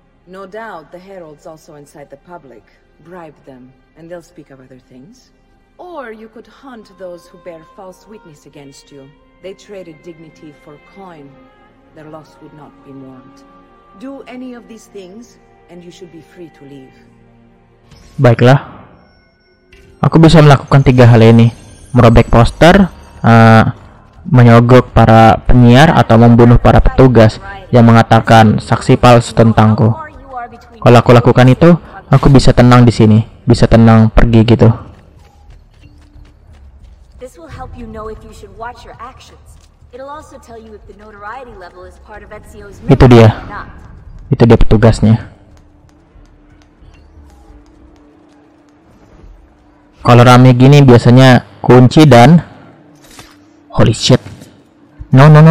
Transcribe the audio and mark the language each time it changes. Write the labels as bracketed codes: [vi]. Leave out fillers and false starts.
[en] No doubt the heralds also incite the public. Bribe them, and they'll speak of other things. Or you could hunt those who bear false witness against you. They traded dignity for coin. Their loss would not be mourned. Do any of these things, and you should be free to leave. Baiklah. Aku bisa melakukan tiga hal ini. Merobek poster, menyogok para penyiar atau membunuh para petugas yang mengatakan saksi palsu tentangku. Kalau aku lakukan itu, aku bisa tenang di sini, bisa tenang pergi gitu. This will help you know if you should watch your actions. It'll also tell you if the notoriety level is part of Ezio's mission. [id] Itu dia petugasnya. Kalau rame gini biasanya kunci dan [en] holy shit. No.